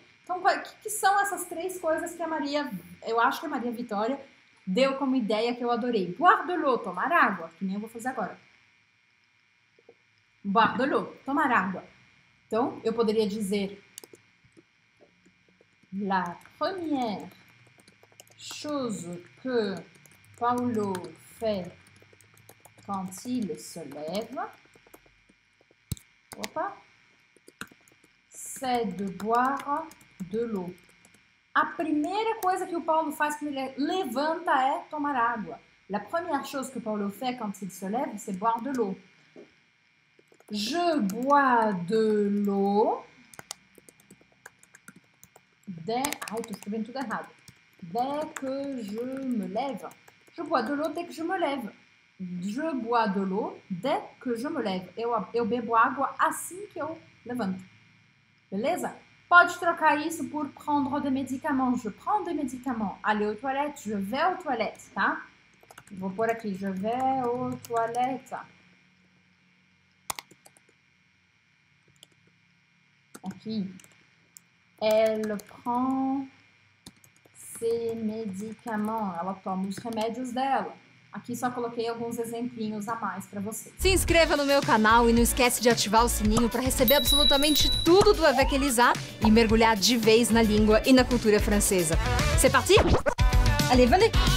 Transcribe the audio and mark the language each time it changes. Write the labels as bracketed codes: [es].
[pt] Então, que são essas três coisas que a Maria, eu acho que a Maria Vitória deu como ideia que eu adorei. [fr] Boire de l'eau, [pt] tomar água, que nem eu vou fazer agora. [fr] Boire de l'eau, [pt] tomar água. Então, eu poderia dizer: [fr] La première chose que Paulo fait quand il se lève, opa, c'est de boire de l'eau. [pt] A primeira coisa que o Paulo faz quando ele levanta é tomar água. [fr] La première chose que Paulo fait quand il se lève, c'est boire de l'eau. Je bois de l'eau dès... [pt] Ai, tô escrevendo tudo errado. [fr] Dès que je me lève. Je bois de l'eau dès que je me lève. Je bois de l'eau dès que je me lève. [pt] Eu bebo água assim que eu levanto. Beleza? Pode trocar isso por [fr] prendre des médicaments. Je prends des médicaments. Aller aux toilettes. Je vais aux toilettes, tá? [pt] Vou pôr aqui. [fr] Je vais aux toilettes. Aqui. Elle prend ses médicaments. [pt] Ela toma os remédios dela. Aqui só coloquei alguns exemplinhos a mais pra você. Se inscreva no meu canal e não esquece de ativar o sininho pra receber absolutamente tudo do Avec Elisa e mergulhar de vez na língua e na cultura francesa. [fr] C'est parti? Allez, venez!